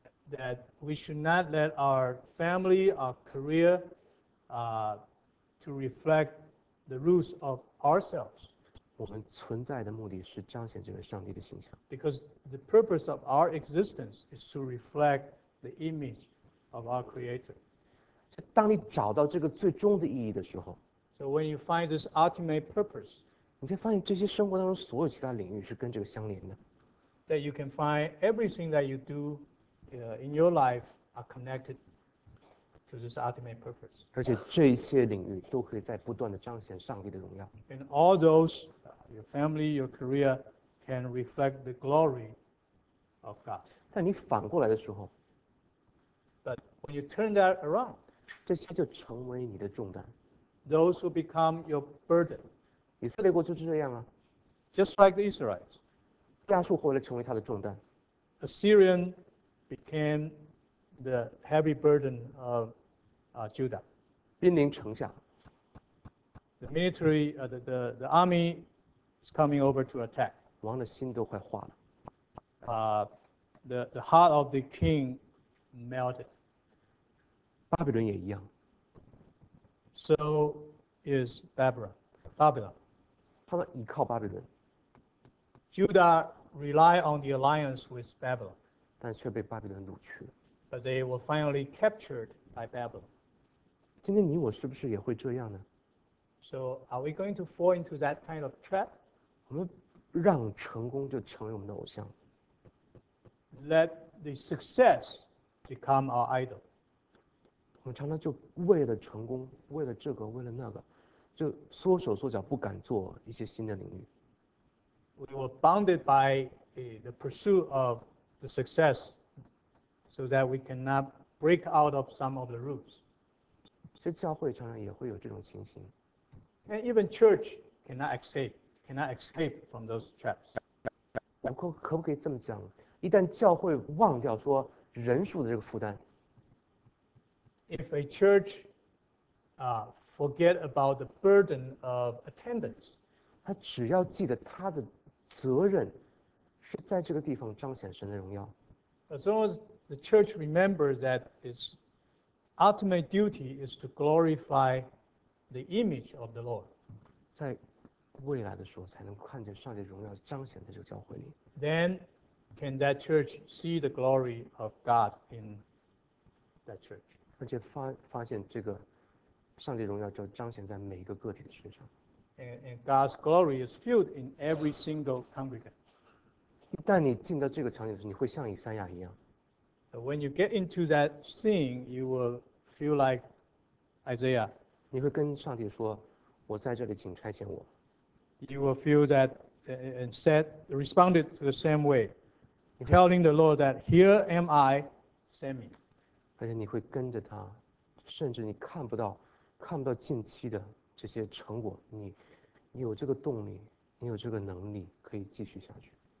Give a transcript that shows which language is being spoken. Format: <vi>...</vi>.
<en>That we should not let our family, our career, to reflect the rules of ourselves.</en> <zh>我们存在的目的是彰显这个上帝的形象。</zh> <en>Because the purpose of our existence is to reflect the image of our Creator.</en> <zh>当你找到这个最终的意义的时候</zh> <en>，So when you find this ultimate purpose,</en> <zh>你才发现这些生活当中所有其他领域是跟这个相连的。</zh> <en>That you can find everything that you do in your life are connected to this ultimate purpose.</en> <zh>而且这一些领域都可以在不断的彰显上帝的荣耀。</zh> <en>And all those. Your family, your career can reflect the glory of God.</en> <zh>但你反过来的时候</zh> <en>But when you turn that around,</en> <zh>这些就成为你的重担</zh> <en>Those will become your burden.</en> <zh>以色列国就是这样啊</zh> <en>Just like the Israelites.</en> <zh>亚述后来成为他的重担</zh> <en>Assyrian became the heavy burden of Judah.</en> <zh>兵临城下</zh> <en>The military, the army,It's coming over to attack.</en> <zh>王的心都快化了。</zh> <en>The heart of the king melted.</en> <zh>巴比伦也一样。</zh> <en>So is Babylon.</en> <zh>他们依靠巴比伦。</zh> <en>Judah rely on the alliance with Babylon.</en> <zh>但却被巴比伦掳去了。</zh> <en>But they were finally captured by Babylon.</en> <zh>今天你我是不是也会这样呢？</zh> <en>So are we going to fall into that kind of trap?</en> <zh>我们让成功就成为我们的偶像。</zh> <en>Let the success become our idol.</en> <zh>我我们常常就为了成功，为了这个，为了那个，就缩手缩脚，不敢做一些新的领域。</zh> <en>We were bounded by the pursuit of the success so that we cannot break out of some of the rules.</en> <zh>其实教会常常也会有这种情形。</zh> <en>And even church cannot escape from those traps.</en> <zh>可不可以这么讲？一旦教会忘掉说人数的这个负担。</zh> <en>If a church forget about the burden of attendance,</en> <zh>他只要记得他的责任是在这个地方彰显神的荣耀。</zh> <en>As long as the church remembers that its ultimate duty is to glorify the image of the Lord,</en> <zh>在未来的时候才能看见上帝的荣耀彰显在这个教会里。</zh> <en>then can that church see the glory of God in that church?</en> <zh>而且发现这个上帝荣耀就彰显在每一个个体的身上。</zh> <en>And God's glory is filled in every single congregant.</en> <zh>但你进到这个场景的时候，你会像以赛亚一样。</zh> <en>When you get into that scene, you will feel like Isaiah.</en> <zh>你会跟上帝说：“我在这里，请差遣我。</zh> <en>You will feel that and said, responded to the same way,</en> <zh>”你会，</zh> <en>telling the Lord that, Here am I, send me.</en> <zh>而且你会跟着他，甚至你看不到近期的这些成果，你有这个动力，你有这个能力，可以继续下去。</zh>